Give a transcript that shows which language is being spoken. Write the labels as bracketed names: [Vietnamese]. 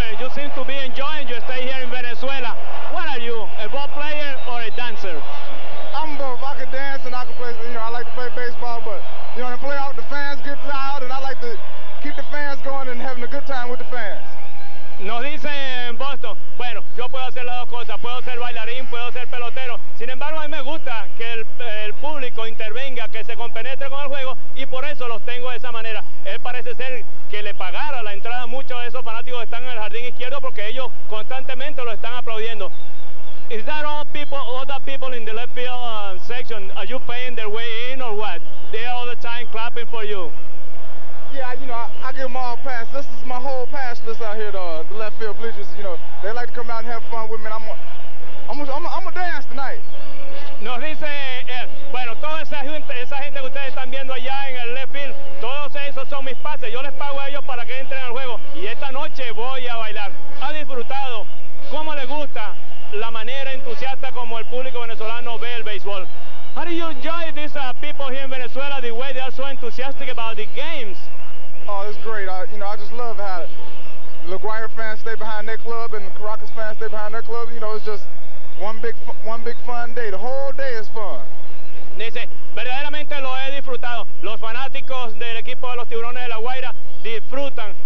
[English] seem to be enjoying your stay here in Venezuela. What are you, a ball player or a dancer? I'm both. I can dance and I can play, you know, I like to play baseball, but, you know, in the playoff, the fans get loud and I like to keep the fans going and having a good time with the fans. [Spanish] Nos dice en Boston, bueno, yo puedo hacer las dos cosas, puedo ser bailarín, puedo ser pelotero. Sin embargo, a mí me gusta que el público intervenga, que se compenetre con el juego y por eso los tengo de esa manera. Él parece ser que le pagara la entrada a muchos de esos fanáticos que están en el jardín izquierdo porque ellos constantemente lo están aplaudiendo. [English] Is that all people, all the people in the left field section, are you paying their way in or what? They are all the time clapping for you. Yeah, you know, I give them all a pass. This is my whole pass list out here, the left field bleachers. You know, they like to come out and have fun with me. I'm a dance tonight. [Spanish] Nos dice, bueno, toda esa gente que ustedes están viendo allá en el left field, todos esos son mis pases. Yo les pago a ellos para que entren al juego. Y esta noche voy a bailar. Ha disfrutado. ¿Cómo le gusta la manera entusiasta como el público venezolano ve el béisbol? [English] How do you enjoy these people here in Venezuela, the way they are so enthusiastic about the games? Oh, it's great. You know, I just love how the LaGuardia fans stay behind their club and the Caracas fans stay behind their club. You know, it's just one big fun day. The whole day is fun. [Spanish] Dice, verdaderamente lo he disfrutado. Los fanáticos del equipo de los Tiburones de La Guaira disfrutan.